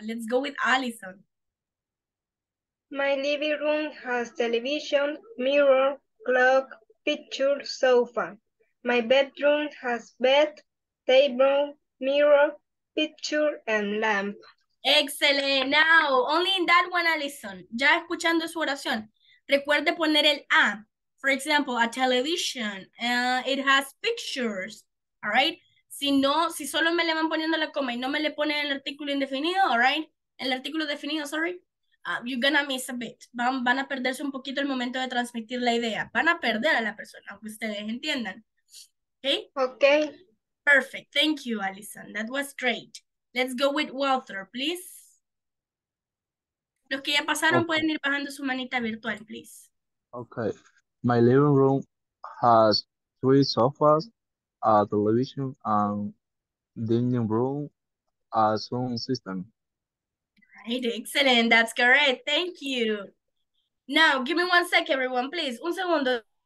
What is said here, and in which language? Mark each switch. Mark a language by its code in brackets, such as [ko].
[en] Let's go with Allison. My living room has television, mirror, clock, picture, sofa. My bedroom has bed, table, mirror, picture, and lamp. Excellent. Now, only in that one, Allison. [es] Ya escuchando su oración, recuerde poner el A. [en] For example, a television. It has pictures. All right? [es] Si no, si solo me le van poniendo la coma y no me le ponen el artículo indefinido, [en] all right? [es] El artículo definido, sorry. [en] You're gonna miss a bit. [es] Van a perderse un poquito el momento de transmitir la idea. Van a perder a la persona, aunque ustedes entiendan. Okay? [en] Okay. Perfect. Thank you, Allison. That was great. Let's go with Walter, please. [es] Los que ya pasaron pueden ir bajando su manita virtual, please. [en] Okay. My living room has three sofas, a television, and dining room, a sound system. Right, excellent. That's correct. Thank you. Now, give me 1 sec, everyone, please. [es] Un segundo.